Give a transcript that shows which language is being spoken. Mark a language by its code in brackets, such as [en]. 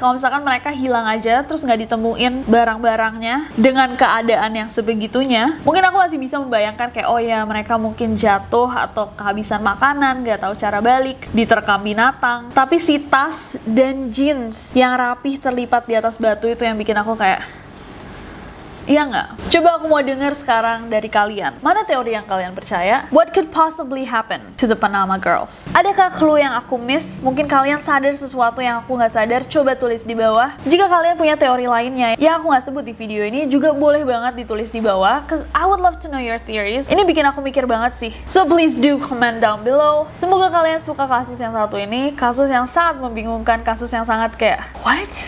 [id] Kalau misalkan mereka hilang aja terus gak ditemuin barang-barangnya dengan keadaan yang sebegitunya, mungkin aku masih bisa membayangkan kayak, oh ya, mereka mungkin jatuh atau kehabisan makanan, gak tahu cara balik, diterkam binatang. Tapi si tas dan jeans yang rapih terlipat di atas batu itu yang bikin aku kayak, iya nggak? Coba aku mau dengar sekarang dari kalian, mana teori yang kalian percaya? [en] What could possibly happen to the Panama Girls? [id] Adakah clue yang aku miss? Mungkin kalian sadar sesuatu yang aku nggak sadar, coba tulis di bawah. Jika kalian punya teori lainnya yang aku nggak sebut di video ini, juga boleh banget ditulis di bawah, [en] cause I would love to know your theories. [id] Ini bikin aku mikir banget sih. [en] So please do comment down below. [id] Semoga kalian suka kasus yang satu ini, kasus yang sangat membingungkan, kasus yang sangat kayak, what?